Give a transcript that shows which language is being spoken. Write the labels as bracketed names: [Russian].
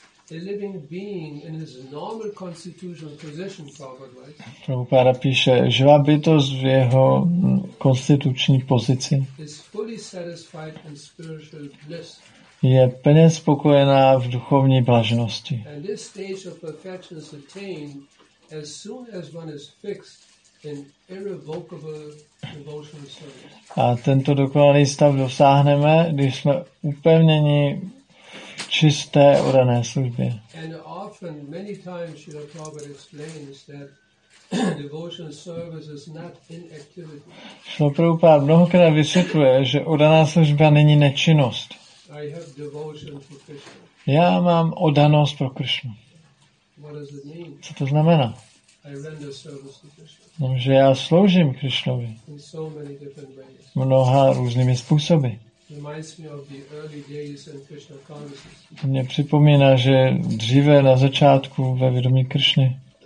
[English] A living being in his normal constitutional position, [Czech] Prabhupada píše, živá bytost v jeho konstituční pozici [English] is fully satisfied in spiritual bliss. [Czech] Je plně spokojená v duchovní blaženosti. [English] And this stage of perfection is attained as soon as one is fixed in irrevocable devotional service. [Czech] A tento dokonalý stav dosáhneme, když jsme upevněni čisté odané službě. [English] And often many times Srila Prabhupada explains that devotion service is not inactivity. [Czech] Srila Prabhupada mnohokrát vysvětluje, že odaná služba není nečinnost. [English] I have devotion for Krishna. [Czech] Já mám odanost pro Krishnu. [English] What does it mean? [Czech] Co to znamená? [English] I render service to Krishna. [Czech] No, že já sloužím Krišnovi. [English] In so many different ways. [Czech] Mnoha různými způsoby. [English] Reminds me of the early days in Krishna consciousness. [Czech] Mě připomíná, že dříve na začátku ve vědomí Krišny.